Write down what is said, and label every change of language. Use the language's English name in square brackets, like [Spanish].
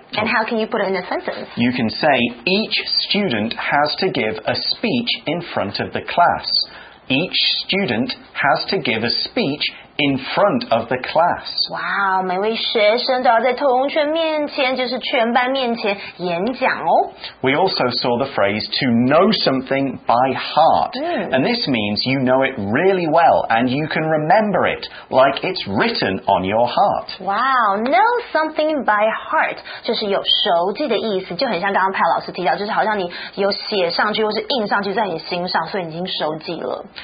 [English] And how can you put it in a sentence? You can say each student has to give a speech in front of the class. Each student has to give a speech in front of the class. [Chinese] Wow, 每位学生都要在同学面前，就是全班面前演讲哦。 [English] We also saw the phrase to know something by heart. And this means you know it really well and you can remember it like it's written on your heart. [Chinese] Wow, [English] know something by heart [Chinese] 就是有熟记的意思，就很像刚刚派老师提到，就是好像你有写上去或是印上去在你心上，所以你已经熟记了。